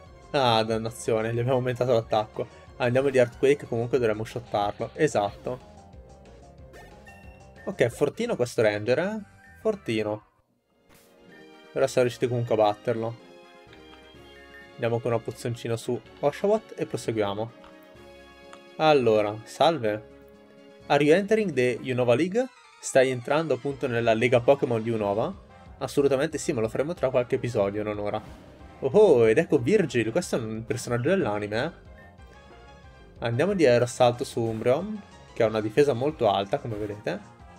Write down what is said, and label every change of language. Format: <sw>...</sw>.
<it>Ah, dannazione, gli abbiamo aumentato l'attacco. Andiamo di Earthquake, comunque dovremmo shottarlo. Esatto. Ok, fortino questo Ranger, eh? Fortino. Però siamo riusciti comunque a batterlo. Andiamo con una pozioncina su Oshawott e proseguiamo. Allora, salve.</it> <en>Are you entering the Unova League?</en> <it>Stai entrando appunto nella Lega Pokémon di Unova? Assolutamente sì, ma lo faremo tra qualche episodio, non ora. Oh, ed ecco Virgil, questo è un personaggio dell'anime, eh? Andiamo di aerosalto su Umbreon, che ha una difesa molto alta, come vedete.</it>